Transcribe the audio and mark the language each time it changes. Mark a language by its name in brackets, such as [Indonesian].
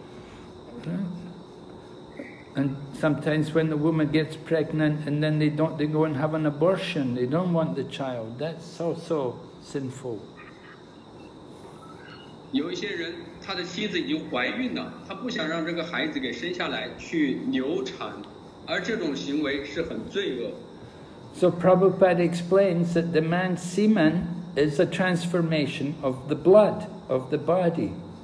[Chinese] 就像有一些人，他只是为了自己的享乐而去过这种性生活，不想让他的妻子去怀孕，而这种性生活是不合法的。 [English] And sometimes when the woman gets pregnant and then they go and have an abortion, they don't want the child. That's also sinful. [Chinese] 有一些人，他的妻子已经怀孕了，他不想让这个孩子给生下来去流产。 [English] So Prabhupada explains that the man's semen is a transformation of the blood of the body.